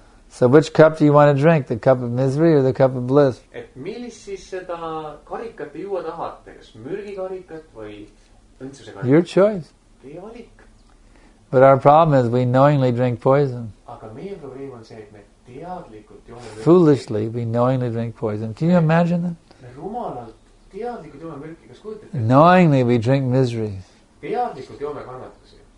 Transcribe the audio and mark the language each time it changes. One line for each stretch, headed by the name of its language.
English: So which cup do you want to drink? The cup of misery or the cup of bliss?
Estonian: Et millis siis seda karikat juua tahate? Kas mürgi karikat või õndsuse karikat?
English: Your choice.
Estonian: Teie valik.
English: But our problem is we knowingly drink poison.
Estonian: Aga meie probleem on see, et me teadlikult joome mürgi.
English: Foolishly, we knowingly drink poison. Can you imagine that?
Estonian: Me rumalalt teadlikult joome mürgi. Kas kujutate?
English: Knowingly, we drink misery.
Estonian: Teadlikult joome kannatusi.